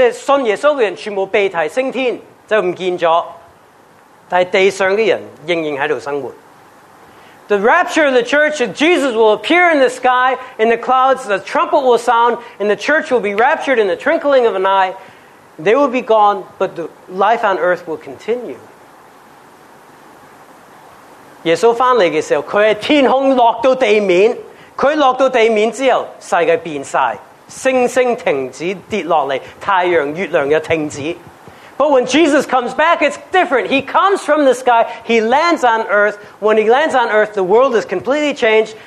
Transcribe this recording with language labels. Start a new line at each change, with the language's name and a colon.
Cantonese: 教会被提嘅时候，系耶稣喺天空出现，吹号叭叭叭叭，跟住教会一霎眼，即系信耶稣嘅人全部被提升天。
English: The rapture of the church, Jesus will appear in the sky, in the clouds, the trumpet will sound, and the church will be raptured in the twinkling of an eye. They will be gone, but the life on earth will continue.
Cantonese: 耶稣回来的时候，他是天空落到地面，他落到地面之后，世界变晒，星星停止跌落嚟，太阳、月亮又停止。
English: But when Jesus comes back, it's different. He comes from the sky. He lands on earth. When he lands on earth, the world is completely changed.